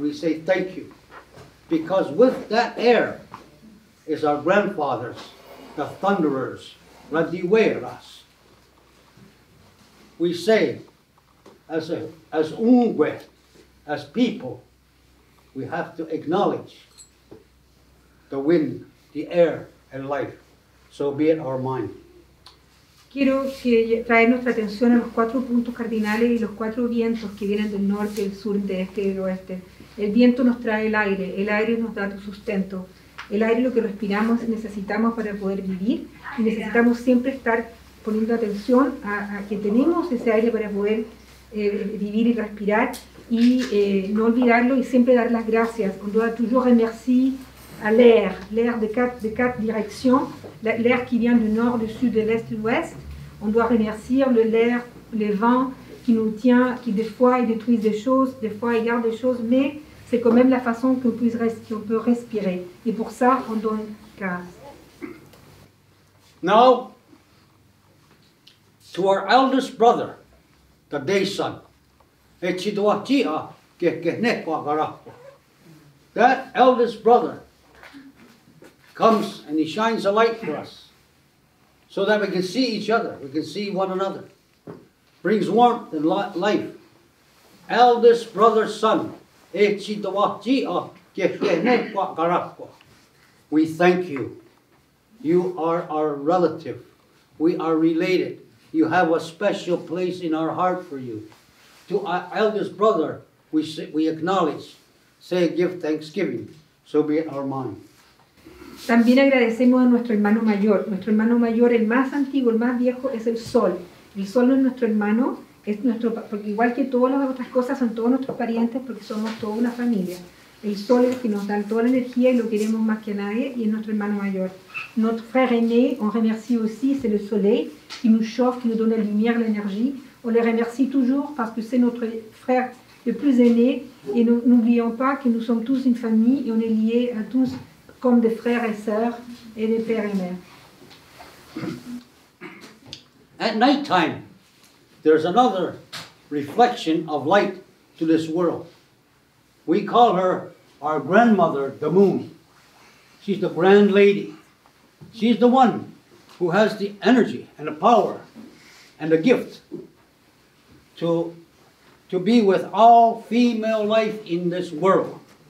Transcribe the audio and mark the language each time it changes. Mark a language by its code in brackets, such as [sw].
[en] We say thank you, because with that air is our grandfathers, the thunderers, Radiweras. We say, as Ungwe, as people, we have to acknowledge the wind, the air, and life. So be it our mind. [es] Quiero traer nuestra atención a los cuatro puntos cardinales y los cuatro vientos que vienen del norte, del sur, del este y del oeste. El viento nos trae el aire nos da tu sustento. El aire es lo que respiramos y necesitamos para poder vivir. Y necesitamos siempre estar poniendo atención a que tenemos ese aire para poder vivir y respirar. Y no olvidarlo y siempre dar las gracias. [fr] On doit toujours remercier à l'air, l'air de quatre directions. L'air qui vient du nord, du sud, de l'est, de l'ouest, on doit remercier l'air, le vent qui nous tient, qui des fois détruit des choses, des fois garde des choses, mais c'est quand même la façon qu'on peut respirer. Et pour ça, on donne grâce. [en] Now, to our eldest brother, the day sun, that eldest brother comes and he shines a light for us so that we can see each other, we can see one another. Brings warmth and life. Eldest brother, son, we thank you. You are our relative. We are related. You have a special place in our heart for you. To our eldest brother, we acknowledge, say, give thanksgiving. So be it our mind. [es] También agradecemos a nuestro hermano mayor. Nuestro hermano mayor, el más antiguo, el más viejo, es el sol. El sol no es nuestro hermano, es nuestro, porque igual que todas las otras cosas, son todos nuestros parientes, porque somos toda una familia. El sol es el que nos da toda la energía y lo queremos más que nadie, y es nuestro hermano mayor. [fr] Notre frère aîné, on remercie aussi, c'est le soleil, qui nous chauffe, qui nous donne la lumière, l'énergie. On le remercie toujours parce que c'est notre frère le plus aîné, et nous n'oublions pas que nous sommes tous une famille et on est liés à tous, comme des frères et sœurs et des pères et mères. [en] At night time, there's another reflection of light to this world. We call her our grandmother, the moon. She's the grand lady. She's the one who has the energy and the power and the gift to be with all female life in this world.